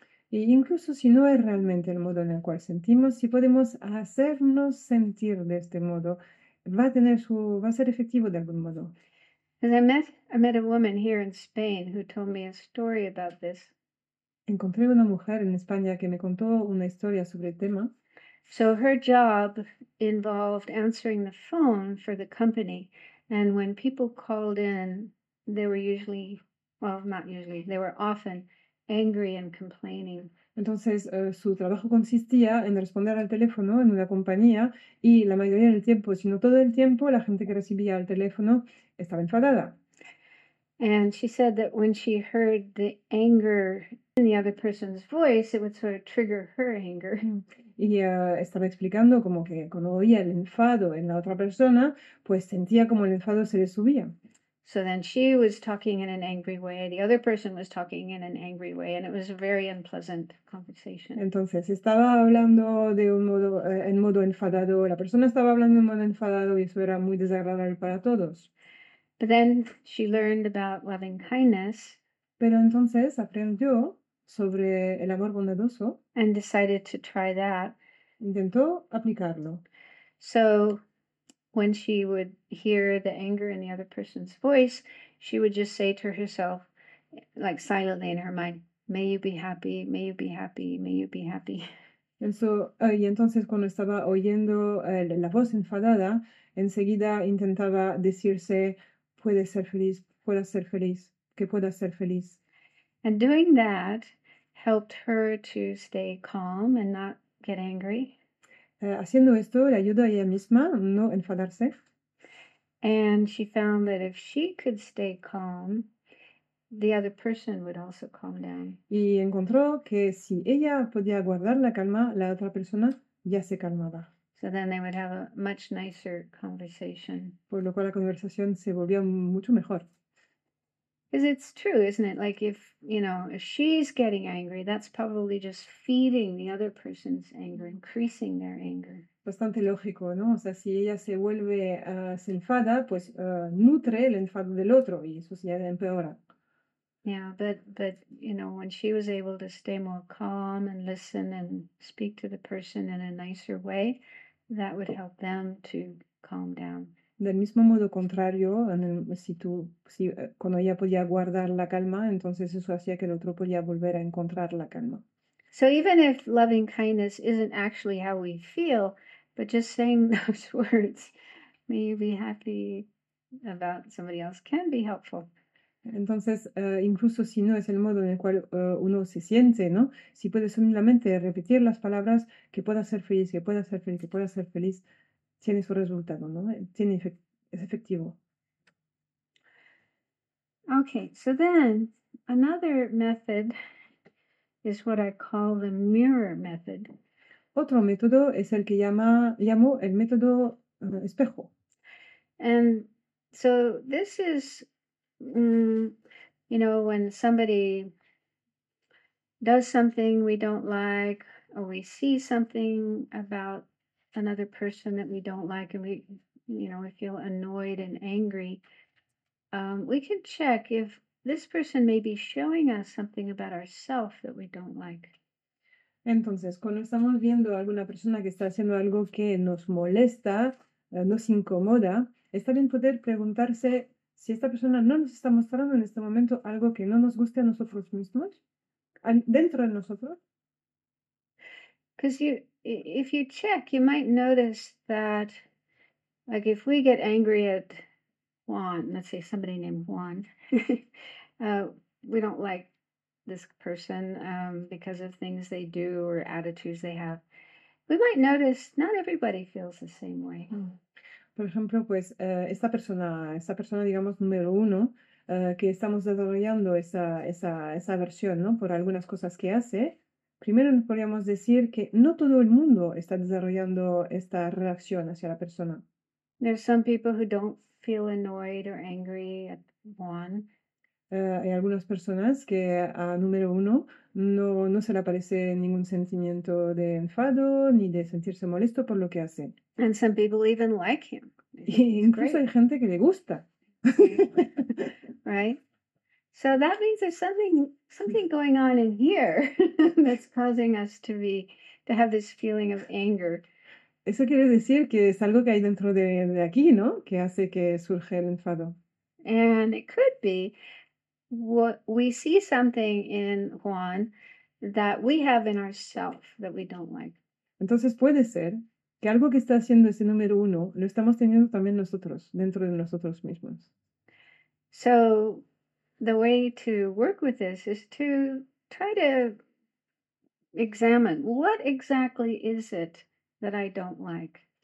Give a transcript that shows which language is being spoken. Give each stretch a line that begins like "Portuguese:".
Spanish: Y incluso si no es realmente el modo en el cual sentimos, si podemos hacernos sentir de este modo, va a ser efectivo de algún modo.
English: I met a woman here in Spain who told me a story about this.
Spanish: Encontré una mujer en España que me contó una historia sobre el tema.
English: So her job involved answering the phone for the company, and when people called in, they were usually, well, not usually, they were often angry and complaining.
Spanish: Entonces, su trabajo consistía en responder al teléfono en una compañía y la mayoría del tiempo, si no todo el tiempo, la gente que recibía el teléfono estaba enfadada.
English: And she said that when she heard the anger in the other person's voice, it would sort of trigger her anger.
Spanish: Y estaba explicando como que cuando oía el enfado en la otra persona, pues sentía como el enfado se le subía.
English: So then she was talking in an angry way, the other person was talking in an angry way, and it was a very unpleasant conversation.
Spanish: Entonces, estaba hablando de un modo, en modo enfadado, la persona estaba hablando en modo enfadado, y eso era muy desagradable para todos.
English: But then she learned about loving kindness.
Spanish: Pero entonces aprendió sobre el amor bondadoso.
English: And decided to try that.
Spanish: Intentó aplicarlo.
English: So when she would hear the anger in the other person's voice, she would just say to herself, like silently in her mind, may you be happy, may you be happy, may you be happy.
Spanish: Y entonces cuando estaba oyendo la voz enfadada, enseguida intentaba decirse, puede ser feliz, pueda ser feliz, que pueda ser feliz.
English: And doing that helped her to stay calm and not get angry.
Spanish: Haciendo esto, le ayudó a ella misma a no enfadarse.
English: And she found that if she could stay calm, the other person would also calm down.
Spanish: Y encontró que si ella podía guardar la calma, la otra persona ya se calmaba.
English: So then they would have a much nicer conversation.
Spanish: Por lo cual la conversación se volvió mucho mejor.
English: Because it's true, isn't it? Like if she's getting angry, that's probably just feeding the other person's anger, increasing their anger.
Spanish: Bastante lógico, ¿no? O sea, si ella se vuelve, se enfada, pues nutre el enfado del otro y eso se empeora.
English: Yeah, but you know, when she was able to stay more calm and listen and speak to the person in a nicer way, that would help them to calm down.
Spanish: Del mismo modo contrario, si cuando ella podía guardar la calma, entonces eso hacía que el otro podía volver a encontrar la calma.
English: So even if loving kindness isn't actually how we feel, but just saying those words, may you be happy about somebody else can be helpful.
Spanish: Entonces, incluso si no es el modo en el cual uno se siente, ¿no? Si puede solamente repetir las palabras, que pueda ser feliz, que pueda ser feliz, que pueda ser feliz, tiene su resultado, ¿no? Es efectivo.
English: Okay, so then another method is what I call the mirror method.
Spanish: Otro método es el que llamo el método espejo.
English: And so this is, you know, when somebody does something we don't like, or we see something about another person that we don't like, and we feel annoyed and angry, we can check if this person may be showing us something about ourselves that we don't like.
Spanish: Entonces, cuando estamos viendo a alguna persona que está haciendo algo que nos molesta, nos incomoda, está bien poder preguntarse si esta persona no nos está mostrando en este momento algo que no nos guste a nosotros mismos, dentro de nosotros.
English: Because you, if you check, you might notice that, like, if we get angry at Juan, let's say somebody named Juan, we don't like this person because of things they do or attitudes they have. We might notice not everybody feels the same way.
Spanish: Por ejemplo, pues esta persona, digamos, número uno, que estamos desarrollando esa versión, ¿no? Por algunas cosas que hace, primero nos podríamos decir que no todo el mundo está desarrollando esta reacción hacia la persona.
English: There's some people who don't feel annoyed or angry at Juan.
Spanish: Hay algunas personas que a número uno no se le aparece ningún sentimiento de enfado ni de sentirse molesto por lo que hace.
English: And some people even like him. They
Spanish: Y
English: think he's
Spanish: incluso hay
English: great.
Spanish: gente que le gusta.
English: Right? So that means there's something going on in here that's causing us to have this feeling of anger.
Spanish: Eso quiere decir que es algo que hay dentro de aquí, ¿no? Que hace que surge el enfado.
English: And it could be what we see something in Juan that we have in ourself that we don't like.
Spanish: Entonces puede ser que algo que está haciendo ese número uno lo estamos teniendo también nosotros, dentro de nosotros mismos.
English: So the way to work with this is to try to examine what exactly is it that I don't like.